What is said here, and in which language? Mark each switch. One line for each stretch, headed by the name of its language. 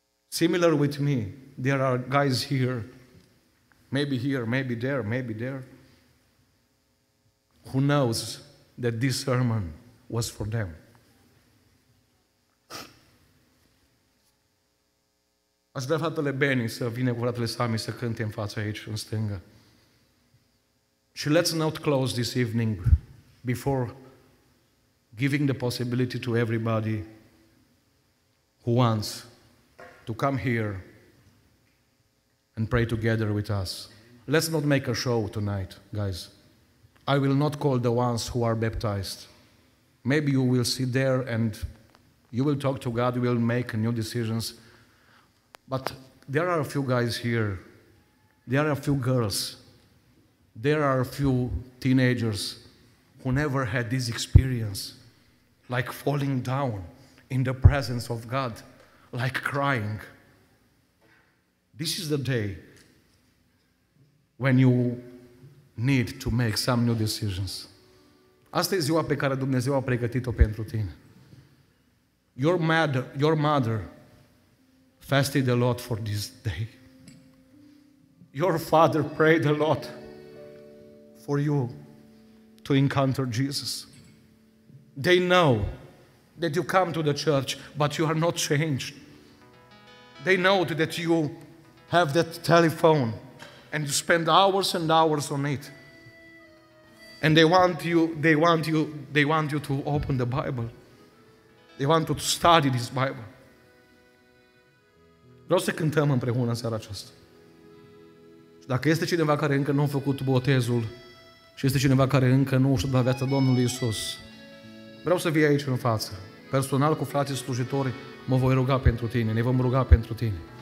English: Similar with me, there are guys here, maybe there, who knows that this sermon was for them.
Romanian: Aș vrea fratele Benny să vină cu fratele Sami să cânte în față aici, în stângă.
English: Și let's not close this evening before giving the possibility to everybody who wants to come here and pray together with us. Let's not make a show tonight, guys. I will not call the ones who are baptized. Maybe you will sit there and you will talk to God, you will make new decisions. But there are a few guys here. There are a few girls. There are a few teenagers who never had this experience, like falling down in the presence of God, like crying. This is the day when you need to make some new decisions.
Romanian: Asta e ziua pe care Dumnezeu a pregătit-o pentru tine.
English: Your mother fasted a lot for this day. Your father prayed a lot for you to encounter Jesus. They know that you come to the church, but you are not changed. They know that you have that telephone and you spend hours and hours on it. And they want you to open the Bible. They want you to study this Bible.
Romanian: Vreau să cântăm împreună în seara aceasta. Dacă este cineva care încă nu a făcut botezul și este cineva care încă nu și-a dat viața Domnului Iisus, vreau să vii aici în față. Personal cu frații slujitori mă voi ruga pentru tine, ne vom ruga pentru tine.